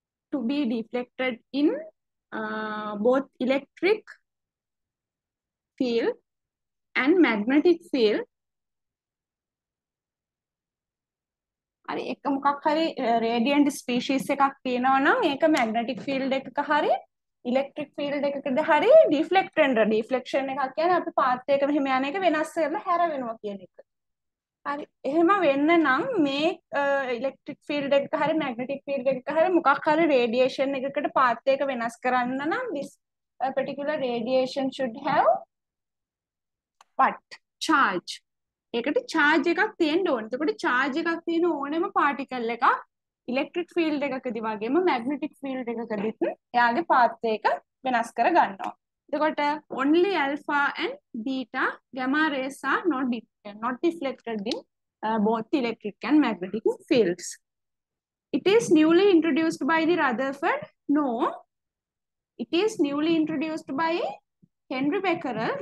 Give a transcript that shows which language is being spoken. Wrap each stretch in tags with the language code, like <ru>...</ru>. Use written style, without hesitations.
<en>To be deflected in both electric field and magnetic field,</en> <si>හරි එක මොකක් හරි රේඩියන්ට් ස්පීෂීස් එකක් තියෙනවා නම් ඒක මැග්නටික් ෆීල්ඩ් එකක හරි ඉලෙක්ට්‍රික් ෆීල්ඩ් එකකද හරි ඩිෆ්ලෙක්ටර් ඩිෆ්ලෙක්ෂන් එකක් කියන්නේ අපි පාත් එක මෙහෙම යන එක වෙනස් වෙලා හැර වෙනවා කියන එක. හරි එහෙම වෙන්න නම් මේ ඉලෙක්ට්‍රික් ෆීල්ඩ් එකක හරි මැග්නටික් ෆීල්ඩ් එකක හරි මොකක් හරි රේඩියේෂන් එකකට පාත් එක වෙනස් කරන්න නම්</si> <en>this particular radiation should have what charge.</en> <si>ඒකට charge එකක් තියෙන්න ඕනේ. එතකොට charge එකක් තියෙන ඕනෑම particle එකක් electric field එකකදී වගේම magnetic field එකකදීත් එයාගේ path එක වෙනස් කර ගන්නවා.</si> <en>එතකොට only alpha and beta gamma rays are not different, not deflected in both electric and magnetic fields. It is newly introduced by the Rutherford. No. It is newly introduced by Henry Becquerel.</en>